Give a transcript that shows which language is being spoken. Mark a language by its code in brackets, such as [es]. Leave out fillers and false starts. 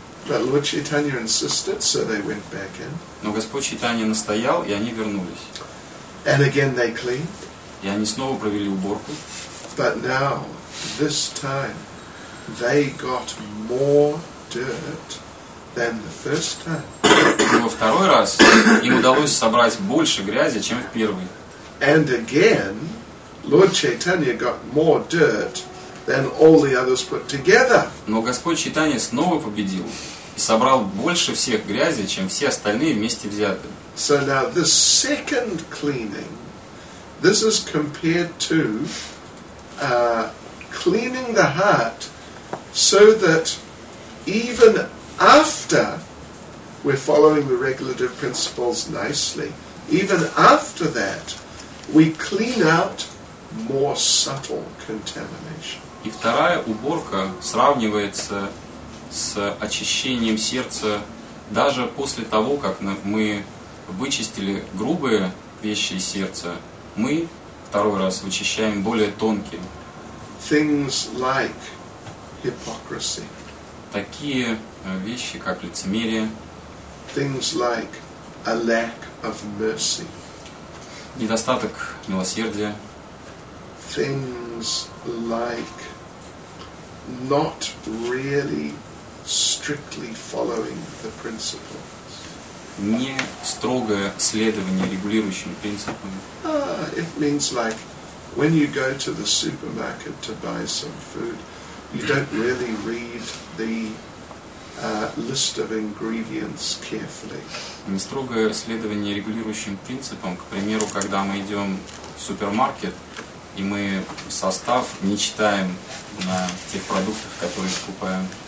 [en] But Lord Chaitanya insisted, so they went back in. [ru] Но Господь Чайтанья настоял, и они вернулись. [en] And again they cleaned. [ru] И они снова провели уборку. [en] But now, this time, they got more dirt than the first time. [ru] Во второй раз им удалось собрать больше грязи, чем в первый. [en] And again, Lord Chaitanya got more dirt than all the others put together. [ru] Но Господь Чайтанья снова победил и собрал больше всех грязи, чем все остальные вместе взятые. [en] So now the second cleaning, this is compared to cleaning the heart so that even after we're following the regulative principles nicely, even after that, we clean out more subtle contamination. [ru] И вторая уборка сравнивается с очищением сердца даже после того, как мы вычистили грубые вещи из сердца, мы второй раз вычищаем более тонкие. [en] Things like hypocrisy. [ru] Такие вещи, как лицемерие. [en] Things like a lack of mercy. [ru] Недостаток милосердия. [en] Things like not really strictly following the principle. [ru] Не строгое следование регулирующим принципам. [en] It means like when you go to the supermarket to buy some food, you don't really read the list of ingredients carefully. [ru] Не строгое следование регулирующим принципам, к примеру, когда мы идем в супермаркет и мы состав не читаем на тех продуктах, которые покупаем.